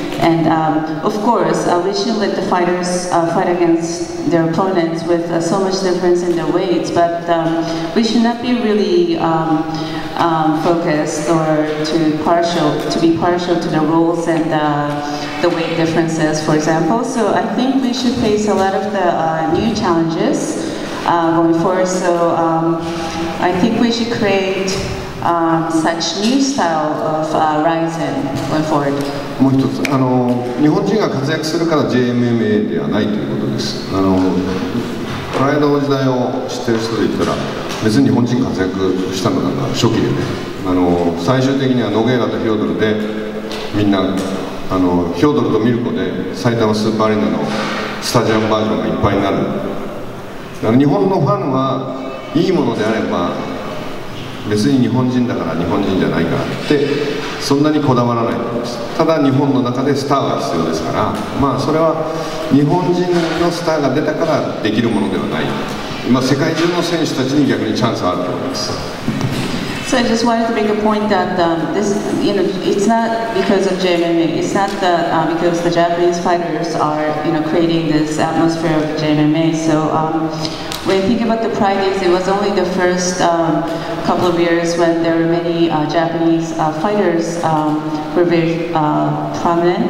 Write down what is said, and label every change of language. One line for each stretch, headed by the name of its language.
English: And of course, we should let the fighters fight against their opponents with so much difference in their weights, but we should not be really focused or to be partial to the rules and the weight differences, for example. So I think we should face a lot of the new challenges going forward. So I think we should create such new style of Rizin going forward.
Japanese: もう一つ、あの日本人が活躍するから JMMA ではないということです。あのプライドの時代を知ってる人で言ったら、別に日本人活躍したのなんか初期でね、あの最終的にはノゲイラとヒョードルで、みんなあのヒョードルとミルコで埼玉スーパーアリーナのスタジアムバージョンがいっぱいになる。日本のファンはいいものであれば、別に日本人だから日本人じゃないからってそんなにこだわらないと思います。ただ日本の中でスターが必要ですから、まあそれは日本人のスターが出たからできるものではない。今世界中の選手たちに逆にチャンスはあると思います。
English: So I just wanted to make a point that this, you know, it's not because of JMMA. It's not the, because the Japanese fighters are, you know, creating this atmosphere of JMMA. So when you think about the Pride Games, it was only the first couple of years when there were many Japanese fighters were very prominent.